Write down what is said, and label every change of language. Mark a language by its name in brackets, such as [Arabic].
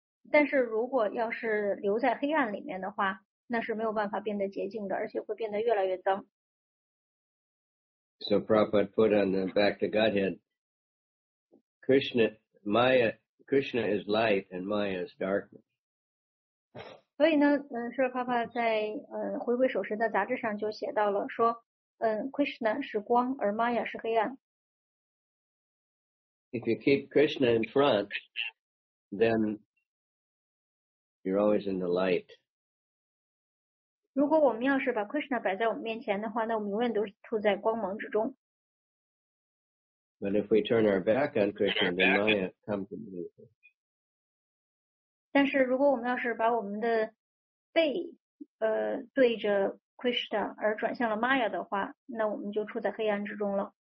[Chinese] 但是如果要是留在黑暗里面的话，那是没有办法变得洁净的，而且会变得越来越脏。 [English] So Prabhupada put on the back to Godhead, Krishna is light and Maya is darkness. [Chinese] 所以呢，释迦牟尼佛在回归手时的杂志上就写到了说，Krishna 是光，而 Maya 是黑暗。 [English] If you keep Krishna in front, then you're always in the light. [Chinese] 如果我们要是把 Krishna 摆在我们面前的话，那我们永远都是处在光芒之中。 [English] But if we turn our back on Krishna, then Maya comes to me. [Chinese] 但是如果我们要是把我们的背对着 Krishna 而转向了 Maya 的话，那我们就处在黑暗之中了。